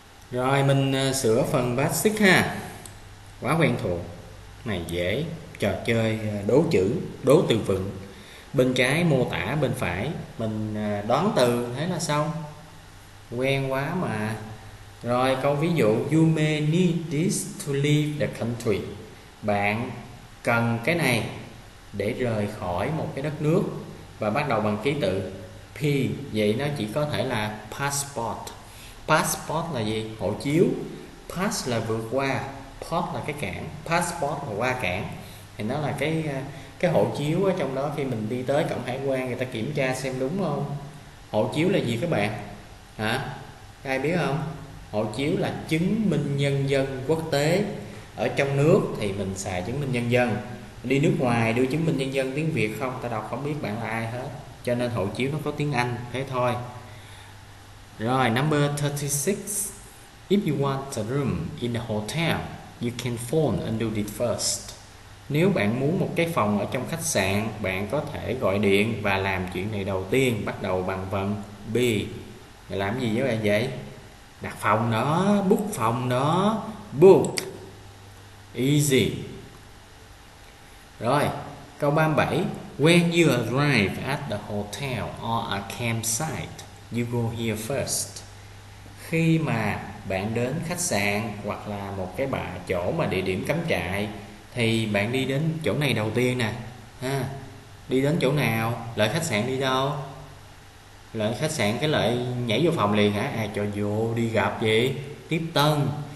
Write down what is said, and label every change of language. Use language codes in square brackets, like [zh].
[vi] Rồi mình sửa phần basic ha. Quá quen thuộc. Này dễ. Trò chơi đố chữ, đố từ vựng. Bên trái mô tả bên phải mình đoán từ, thế là xong. Quen quá mà. Rồi câu ví dụ: [en] You may need this to leave the country. [vi] Bạn cần cái này để rời khỏi một cái đất nước. Và bắt đầu bằng ký tự P. Vậy nó chỉ có thể là passport. Passport là gì? Hộ chiếu. Pass là vượt qua, port là cái cảng, passport là qua cảng. Thì nó là cái hộ chiếu ở trong đó, khi mình đi tới cổng hải quan người ta kiểm tra xem đúng không. Hộ chiếu là gì các bạn? Hả? Ai biết không? Hộ chiếu là chứng minh nhân dân quốc tế. Ở trong nước thì mình xài chứng minh nhân dân. Đi nước ngoài đưa chứng minh nhân dân tiếng Việt không, ta đọc không biết bạn là ai hết. Cho nên hộ chiếu nó có tiếng Anh thế thôi. Rồi, number 36. [en] If you want a room in a hotel, you can phone and do it first. [vi] Nếu bạn muốn một cái phòng ở trong khách sạn, bạn có thể gọi điện và làm chuyện này đầu tiên, bắt đầu bằng vần B. Làm gì với bạn vậy? Đặt phòng đó, book phòng đó, book. Easy. Rồi, câu 37. [en] When you arrive at the hotel or a campsite, you go here first. [vi] Khi mà bạn đến khách sạn hoặc là một cái bà chỗ mà địa điểm cắm trại thì bạn đi đến chỗ này đầu tiên nè. Ha. Đi đến chỗ nào? Lại khách sạn đi đâu? Lại khách sạn cái lại nhảy vô phòng liền hả? À, cho vô đi gặp gì? Tiếp tân.